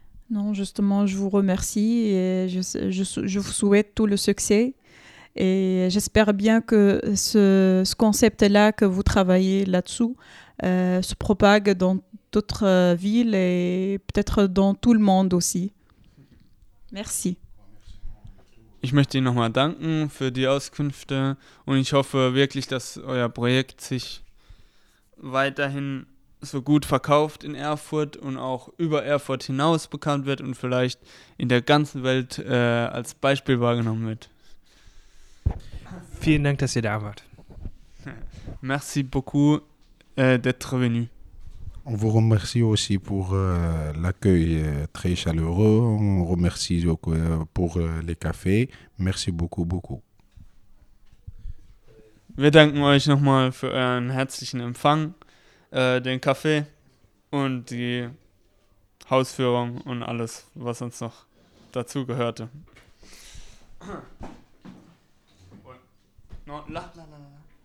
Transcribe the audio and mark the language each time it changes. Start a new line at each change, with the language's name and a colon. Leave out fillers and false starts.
French: Non, justement, je vous remercie et je vous souhaite tout le succès. Et j'espère bien que ce concept-là que vous travaillez là-dessous se propage dans d'autres villes et peut-être dans tout le monde aussi. Merci.
German: Ich möchte Ihnen nochmal danken für die Auskünfte und ich hoffe wirklich, dass euer Projekt sich weiterhin so gut verkauft in Erfurt und auch über Erfurt hinaus bekannt wird und vielleicht in der ganzen Welt als Beispiel wahrgenommen wird. Vielen Dank, dass ihr da wart.
French: Merci beaucoup d'être venu. On vous remercie aussi pour l'accueil très chaleureux. On remercie pour les cafés. Merci beaucoup, beaucoup.
German: Wir danken euch nochmal für euren herzlichen Empfang, den Kaffee und die Hausführung und alles, was uns noch dazu gehörte. No, la, la, la, la.